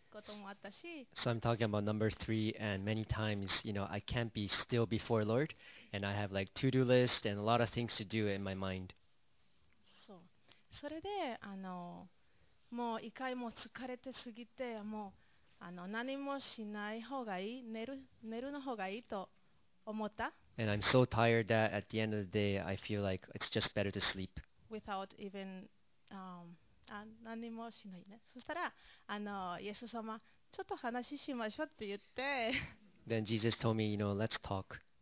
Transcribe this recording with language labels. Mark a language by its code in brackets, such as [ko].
[en] So I'm talking about number three, and many times, you know, I can't be still before Lord, and I have like to-do list and a lot of things to do in my mind. So, [ja] それで、もう一回も疲れてすぎて、もう何もしない方がいい、寝るの方がいいと思った。 [en] And I'm so tired that at the end of the day, I feel like it's just better to sleep. Without even, [ja] 何もしないね。そしたら、イエス様、ちょっと話しましょうって言って。 [en] Then Jesus told me, you know, let's talk.